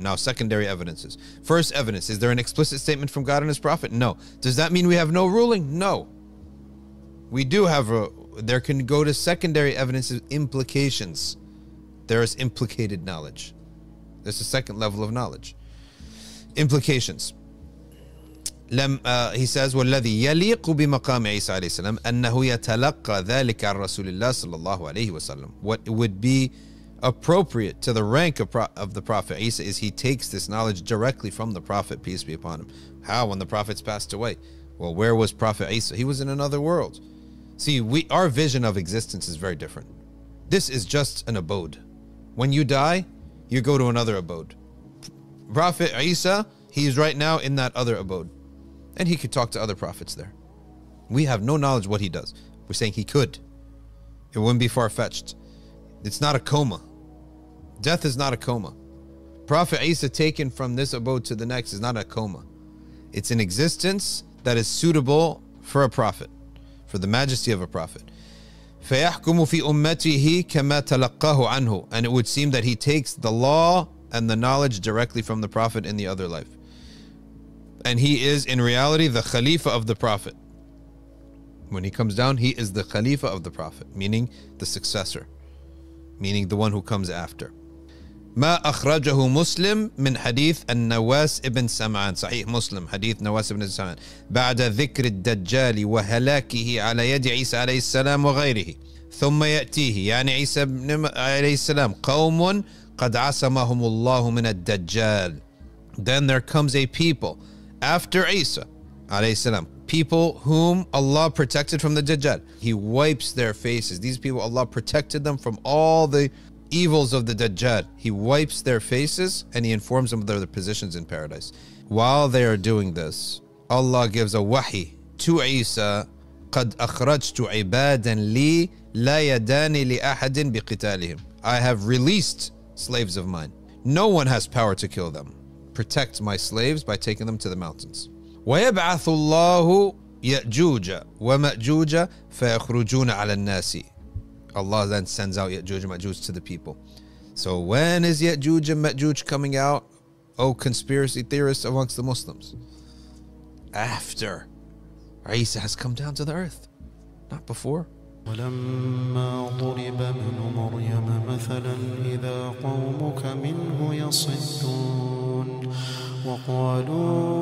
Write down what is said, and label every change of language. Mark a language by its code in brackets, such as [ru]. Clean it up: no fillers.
[en] Now, secondary evidences. First evidence, is there an explicit statement from God and his prophet? No. Does that mean we have no ruling? No. We do have there can go to secondary evidences, implications. There is implicated knowledge. There's a second level of knowledge. Implications. he says [ar] والذي يليق بمقام عيسى عليه السلام أنه يتلقى ذلك عن رسول الله صلى الله عليه وسلم. [en] What would be appropriate to the rank of the Prophet Isa is he takes this knowledge directly from the Prophet, peace be upon him. How? When the Prophet's passed away. Well, where was Prophet Isa? He was in another world. See, our vision of existence is very different. This is just an abode. When you die, you go to another abode. Prophet Isa, he's right now in that other abode. And he could talk to other prophets there. We have no knowledge what he does. We're saying he could. It wouldn't be far-fetched. It's not a coma. Death is not a coma. Prophet Isa taken from this abode to the next is not a coma. It's an existence that is suitable for a prophet, for the majesty of a prophet. [ar] فَيَحْكُمُ فِي أُمَّتِهِ كَمَا تَلَقَّهُ عَنْهُ. [en] And it would seem that he takes the law and the knowledge directly from the prophet in the other life. And he is in reality the Khalifa of the Prophet. When he comes down, he is the Khalifa of the Prophet, meaning the successor, meaning the one who comes after. [ar] ما أخرجه مسلم من حديث النواس ابن سمعان. صحيح مسلم حديث نواس ابن سمعان بعد ذكر الدجال وهلاكه على يد عيسى عليه السلام وغيره ثم يأتيه يعني عيسى ابن عليه السلام قوم قد عصمهم الله من الدجال. [en] Then there comes a people after Isa alayhi salam, people whom Allah protected from the Dajjal. He wipes their faces. These people, Allah protected them from all the evils of the Dajjal. He wipes their faces and he informs them of their positions in paradise. While they are doing this, Allah gives a wahi to Isa. [ar] قَدْ أَخْرَجْتُ عِبَادًا لِي لَا يَدَانِ لِأَحَدٍ بِقِتَالِهِمْ. [en] I have released slaves of mine. No one has power to kill them. Protect my slaves by taking them to the mountains. [ar] وَيَبْعَثُ اللَّهُ يَأْجُوجَ وَمَأْجُوجَ فَيَخْرُجُونَ عَلَى النَّاسِ. [en] Allah then sends out يَأْجُوج وَمَأْجُوج to the people. So when is يَأْجُوج and مَأْجُوج coming out, O conspiracy theorists amongst the Muslims? After Isa has come down to the earth, not before. [ar] وَلَمَّا ضُرِبَ ابْنُ مَرْيَمَ مَثَلًا إِذَا قَوْمُكَ مِنْهُ يَصِدُّونَ وَقَالُوا